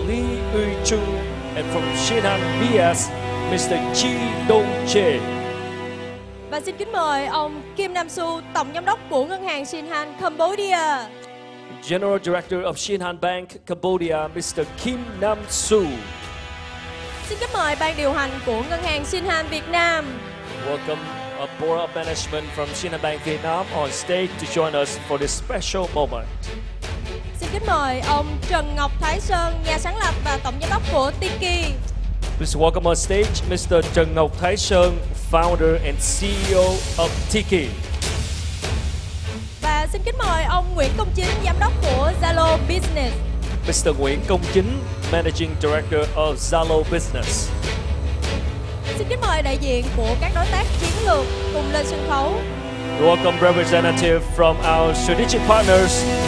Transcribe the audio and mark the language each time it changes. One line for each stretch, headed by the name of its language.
English: Lee Uy-chung, and from Shinhan BS, Mr. Chi Dong-jae.
Vietnamese: Và xin kính mời ông Kim Nam-su, Tổng Giám đốc của Ngân hàng Shinhan Cambodia.
English: General Director of Shinhan Bank Cambodia, Mr. Kim Nam-soo.
Vietnamese: Xin kính mời ban điều hành của Ngân hàng Shinhan Việt Nam.
English: Welcome a Board of Management from Shinhan Bank Vietnam on stage to join us for this special moment.
Vietnamese: Xin kính mời ông Trần Ngọc Thái Sơn, nhà sáng lập và tổng giám đốc của Tiki.
English: Please welcome on stage Mr. Trần Ngọc Thái Sơn, founder and CEO of Tiki.
Vietnamese: Xin kính mời ông Nguyễn Công Chính, giám đốc của Zalo Business.
English: Mr. Nguyễn Công Chính, Managing Director of Zalo Business.
Vietnamese: Xin kính mời đại diện của các đối tác chiến lược cùng lên sân khấu.
English: Welcome representative from our strategic partners.